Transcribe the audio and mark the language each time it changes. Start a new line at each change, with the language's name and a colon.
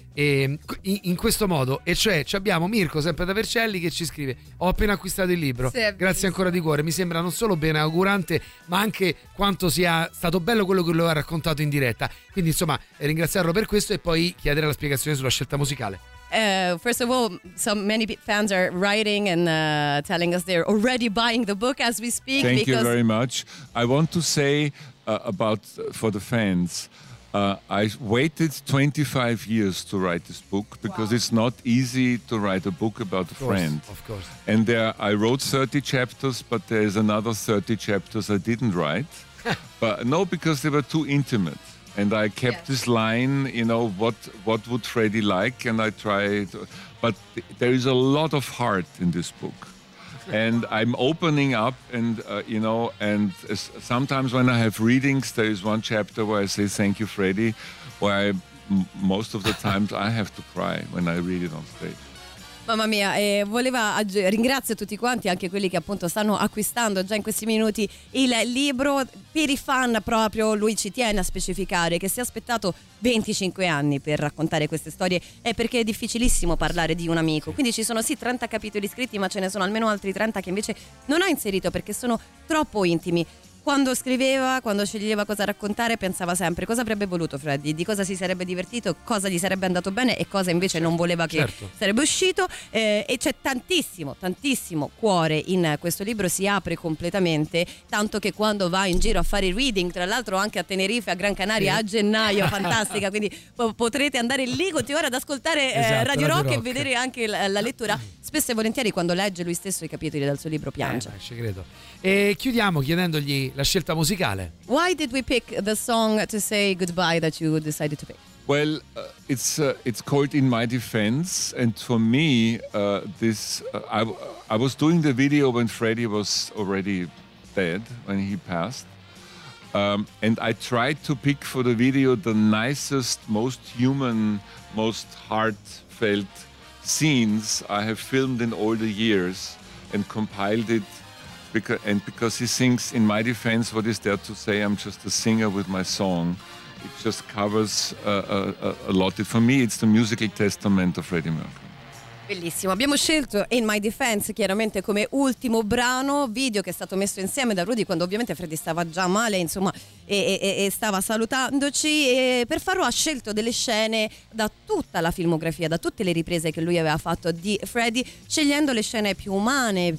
Italian: in questo modo, e cioè ci abbiamo Mirko sempre da Vercelli che ci scrive: ho appena acquistato il libro, grazie ancora di cuore, mi sembra non solo ben augurante ma anche quanto sia stato bello quello che lo ha raccontato in diretta, quindi insomma ringraziarlo per questo e poi chiedere la spiegazione sulla scelta musicale.
English: First of all, so many fans are writing and telling us they're already buying the book as we speak. Thank you very much. I want to say about for the fans, I waited 25 years to write this book because it's not easy to write a book about a friend. Of course. And I wrote 30 chapters, but there's another 30 chapters I didn't write. But no, because they were too intimate. And I kept this line, you know, what would Freddie like? And I tried, but there is a lot of heart in this book. And I'm opening up and, you know, and sometimes when I have readings, there is one chapter where I say, thank you, Freddie, where most of the times I have to cry when I read it on stage.
Italian: Mamma mia, ringrazio tutti quanti, anche quelli che appunto stanno acquistando già in questi minuti il libro. Per i fan proprio lui ci tiene a specificare che si è aspettato 25 anni per raccontare queste storie, è perché è difficilissimo parlare di un amico, quindi ci sono sì 30 capitoli scritti, ma ce ne sono almeno altri 30 che invece non ha inserito perché sono troppo intimi. Quando scriveva, quando sceglieva cosa raccontare, pensava sempre cosa avrebbe voluto Freddy, di cosa si sarebbe divertito, cosa gli sarebbe andato bene e cosa invece non voleva che sarebbe uscito. E c'è tantissimo, tantissimo cuore in questo libro, si apre completamente, tanto che quando va in giro a fare reading, tra l'altro anche a Tenerife, a Gran Canaria, a gennaio, fantastica, quindi potrete andare lì, continuare ad ascoltare Radio Rock e vedere anche la lettura. Spesso e volentieri quando legge lui stesso i capitoli del suo libro piange. Ci credo. E chiudiamo chiedendogli la scelta musicale.
English: Why did we pick the song to say goodbye that you decided to pick? Well, it's called In My Defense, and for me I was doing the video when Freddie was already dead, when he passed. And I tried to pick for the video the nicest, most human, most heartfelt scenes I have filmed in all the years and compiled it because he sings In My Defense, what is there to say, I'm just a singer with my song. It just covers a lot. For me it's the musical testament of Freddie Mercury.
Italian: Bellissimo, abbiamo scelto In My Defense chiaramente come ultimo brano, video che è stato messo insieme da Rudy quando ovviamente Freddy stava già male, insomma, e stava salutandoci, e per farlo ha scelto delle scene da tutta la filmografia, da tutte le riprese che lui aveva fatto di Freddy, scegliendo le scene più umane,